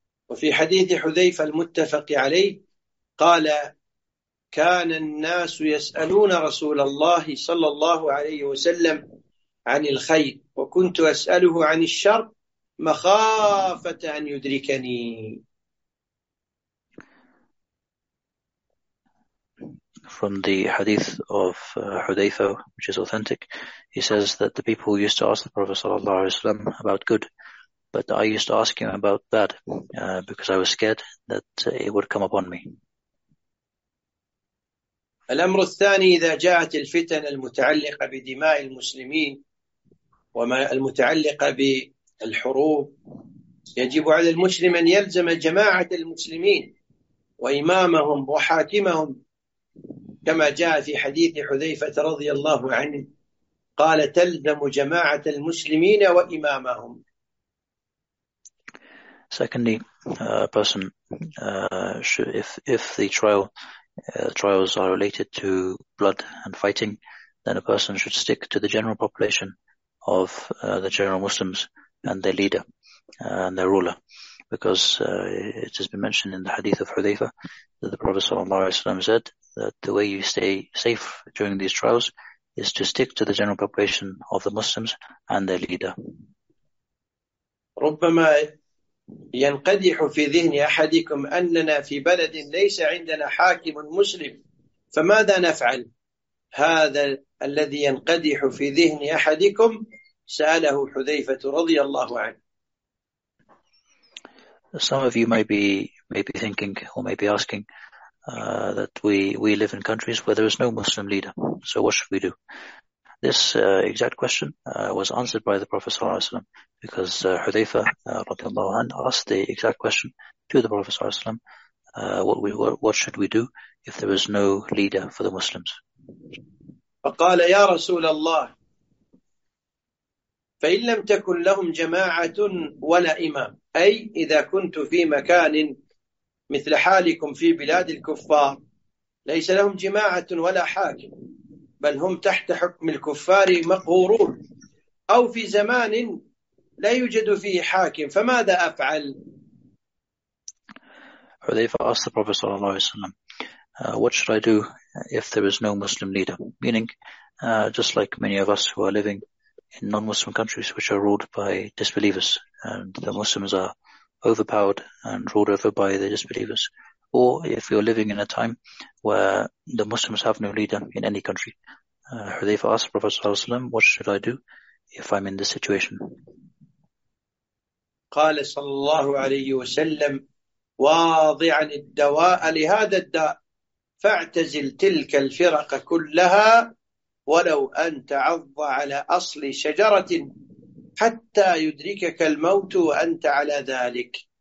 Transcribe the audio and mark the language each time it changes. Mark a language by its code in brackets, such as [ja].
[ar] وفي حديث حذيفة المتفق عليه قال كان الناس يسألون رسول الله صلى الله عليه وسلم عن الخير وكنت أسأله عن الشر مخافة أن يدركني. [en] From the hadith of Hudayfa, which is authentic, he says that the people used to ask the Prophet [ar] sallallahu alaihi wasallam [en] about good, but I used to ask him about bad, because I was scared that it would come upon me. [ar] الأمر الثاني إذا جاءت الفتن المتعلقة بدماء المسلمين وما المتعلقة بالحروب يجب على المسلم أن يلزم جماعة المسلمين وإمامهم وحاكمهم كما جاء في حديث حذيفة رضي الله عنه قال تلزم جماعة المسلمين وإمامهم. [en] Secondly, a person should, if the trial trials are related to blood and fighting, then a person should stick to the general population of the general Muslims and their leader and their ruler, because it has been mentioned in the hadith of Hudhayfa that the Prophet [ar] sallallahu alaihi wasallam [en] said that the way you stay safe during these trials is to stick to the general population of the Muslims and their leader. [ar] ربما ينقدح في ذهن أحدكم أننا في بلد ليس عندنا حاكم مسلم فماذا نفعل؟ هذا الذي ينقدح في ذهن أحدكم سأله حذيفة رضي الله عنه. [en] Some of you may be thinking or may be asking that we live in countries where there is no Muslim leader. So what should we do? This exact question was answered by the Prophet [ar] sallallahu alaihi wasallam, [en] because Hudhayfa [ar] radiallahu anhu [en] asked the exact question to the Prophet sallallahu alaihi wasallam, what should we do if there is no leader for the Muslims? [ar] فقال يا رسول الله فإن لم تكن لهم جماعة ولا إمام أي إذا كنت في مكان مثل حالكم في بلاد الكفار ليس لهم جماعة ولا حاكم بل هم تحت حكم الكفار مقهورون أو في زمان لا يوجد فيه حاكم فماذا أفعل؟ [en] Hudhayfa asked the Prophet [ar] sallallahu alaihi wasallam, [en] what should I do if there is no Muslim leader? Meaning, just like many of us who are living in non-Muslim countries which are ruled by disbelievers, and the Muslims are overpowered and ruled over by the disbelievers. Or if you're living in a time where the Muslims have no leader in any country, Hudhayfa asked the Prophet [ar] sallallahu alaihi wasallam, [en] what should I do if I'm in this situation? [ar] قال صلى الله عليه وسلم واضعا الدواء لهذا الداء فاعتزل تلك الفرق كلها ولو أن تعض على أصل شجرة حتى يدركك الموت وأنت على ذلك.